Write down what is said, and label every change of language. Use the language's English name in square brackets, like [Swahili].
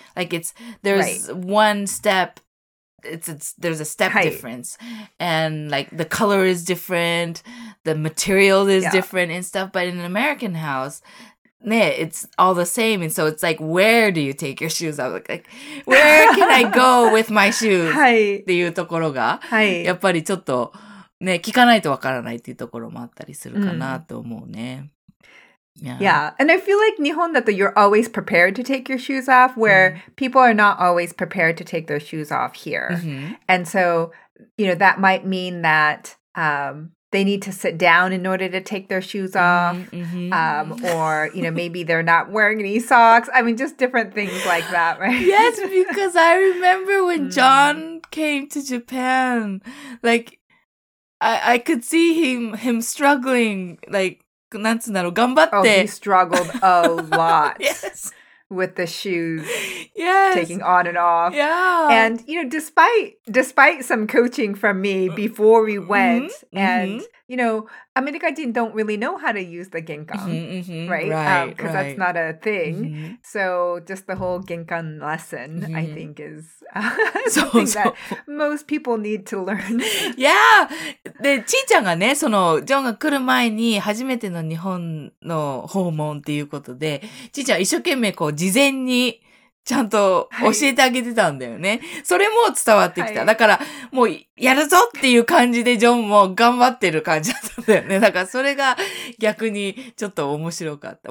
[English] Like, there's a step difference. And, like, the color is different, the material is different and stuff. But in an American house, it's all the same. And so it's like, where do you take your shoes off? Like, where can I go with my shoes? [Japanese] はい。っていうところが、はい。やっぱりちょっと、ね、聞かないとわからないっていうところもあったりするかなと思うね。 [English] Yeah. And I feel like [Japanese] 日本だと [English] you're always prepared to take your shoes off, where people are not always prepared to take their shoes off here. And so, you know, that might mean that, they need to sit down in order to take their shoes off, or, you know, maybe they're not wearing any socks. I mean, just different things like that, right? Yes, because I remember when John came to Japan, like, I could see him struggling, like, [Japanese] なんつうんだろう、頑張って。 [English] Oh, he struggled a lot. Yes. With the shoes taking on and off. Yeah. And, you know, despite some coaching from me before we went, and, you know, Americans don't really know how to use the ginkan, right? Because that's not a thing. So just the whole ginkan lesson, I think, is something that most people need to learn. Yeah. [Japanese] で、ちーちゃんがね、その、ジョンが来る前に初めての日本の訪問っていうことで、ちーちゃん一生懸命こう、事前にちゃんと教えてあげてたんだよね。それも伝わってきた。だからもうやるぞっていう感じでジョンも頑張ってる感じだったんだよね。だからそれが逆にちょっと面白かった。